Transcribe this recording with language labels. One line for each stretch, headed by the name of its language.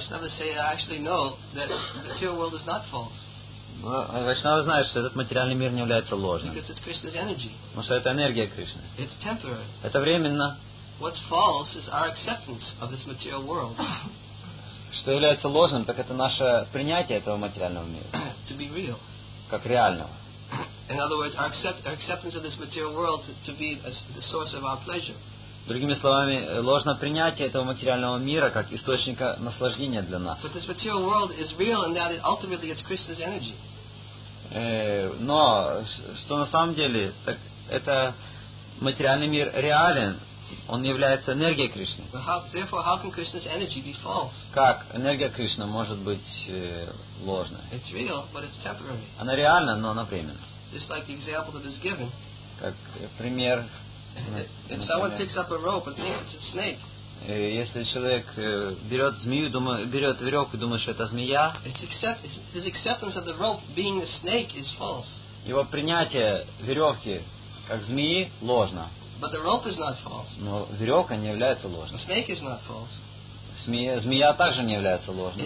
English: Vaishnavas say I actually know that the material world is not false.
Russian: Вайшнавы знают, что этот материальный мир не является ложным.
English: Because it's Krishna's energy.
Russian: Потому что это энергия Кришны.
English: It's temporary.
Russian: Это временно.
English: What's false is our acceptance of this material world.
Russian: Что является ложным, так это наше принятие этого материального мира.
English: To be real.
Russian: Как реального.
English: In other words, our acceptance of this material world to be the source of our pleasure.
Russian: Другими словами, ложное принятие этого материального мира как источника наслаждения для нас.
English: But this material world is real in that it ultimately it's Krishna's energy.
Russian: Но что на самом деле, так это материальный мир реален. Он является энергией Кришны.
English: Therefore, how can Krishna's energy be false?
Russian: Как энергия Кришны может быть ложной?
English: It's real, but it's temporary.
Russian: Она реальна, но она временна.
English: Just like the example that is given.
Russian: Как пример.
English: If someone picks up a rope and thinks it's a snake.
Russian: Если человек берет змею, берет веревку и думает, что это змея.
English: His acceptance of the rope being a snake is false.
Russian: Его принятие веревки как змеи ложно.
English: But the rope is not false.
Russian: Но веревка не является ложной.
English: The snake is not false.
Russian: Змея также не является ложной.